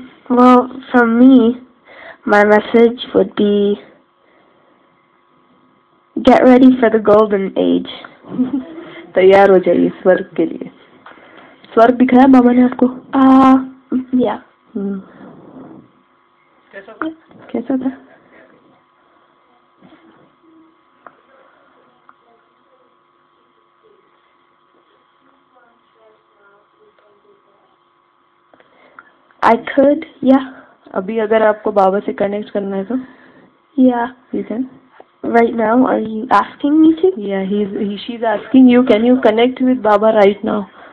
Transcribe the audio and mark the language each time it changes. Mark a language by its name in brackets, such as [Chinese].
[English] well for me my message would be get ready for the golden age. [Hindi] तैयार हो जाइए स्वर्ग के लिए. स्वर्ग दिखाया बाबा ने आपको? या कैसा था? [English] I could, yeah. [Hindi] अभी अगर आपको बाबा से कनेक्ट करना है तो? [English] Yeah. You can? Right now, are you asking me to? Yeah, she's asking you, can you connect with Baba right now?